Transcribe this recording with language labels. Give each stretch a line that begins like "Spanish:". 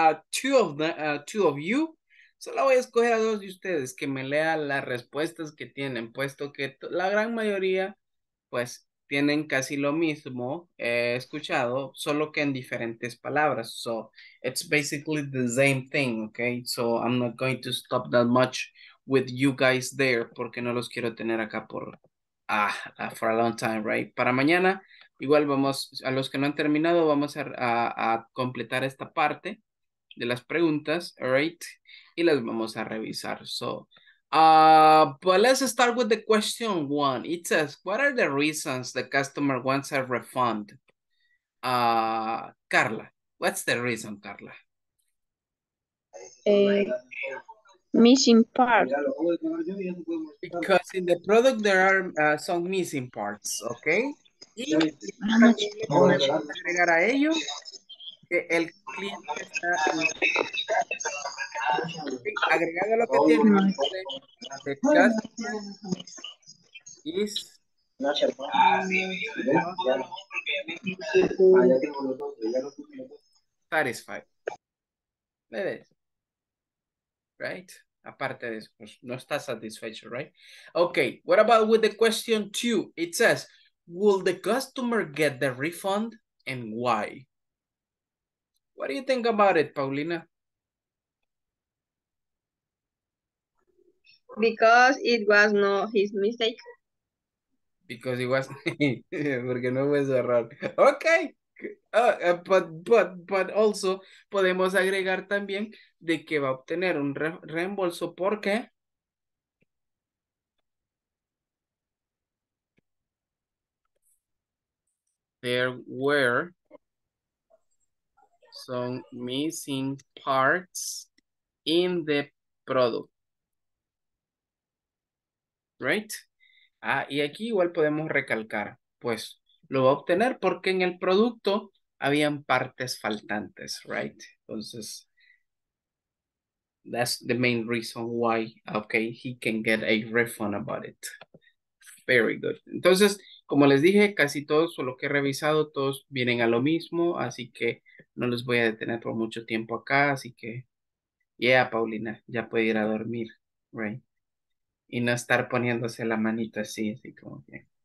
English: Two of you.
Spanish: Solo voy a escoger a dos de ustedes que me lean las respuestas que tienen, puesto que la gran mayoría, pues, tienen casi lo mismo escuchado, solo que en diferentes palabras.
English: So, it's basically the same thing, okay? So, I'm not going to stop that much with you guys there,
Spanish: porque no los quiero tener acá por,
English: for a long time, right?
Spanish: Para mañana, igual vamos, a los que no han terminado, vamos a completar esta parte de las preguntas,
English: alright,
Spanish: y las vamos a revisar.
English: So, but let's start with the question one. It says, what are the reasons the customer wants a refund? Carla, what's the reason, Carla? Missing part. Because in the product there are some missing parts, okay?
Spanish: Agregar a ello. El cliente está agregando lo que tiene de
English: is satisfied.
Spanish: ¿Me ves?
English: Right?
Spanish: Aparte de eso, pues no está satisfecho,
English: right? Okay, what about with the question two? It says, will the customer get the refund and why? What do you think about it, Paulina? Because it was not his mistake. Because it was
Spanish: porque no fue su error.
English: Okay. But also
Spanish: podemos agregar también de que va a obtener un reembolso porque
English: there were some missing parts in the product. Right?
Spanish: Y aquí igual podemos recalcar, pues lo va a obtener porque en el producto habían partes faltantes,
English: right?
Spanish: Entonces,
English: that's the main reason why, okay, he can get a refund about it. Very good.
Spanish: Entonces, como les dije, casi todos, o lo que he revisado, todos vienen a lo mismo, así que no los voy a detener por mucho tiempo acá, así que,
English: yeah,
Spanish: Paulina, ya puede ir a dormir,
English: right?
Spanish: Y no estar poniéndose la manita así, así como que.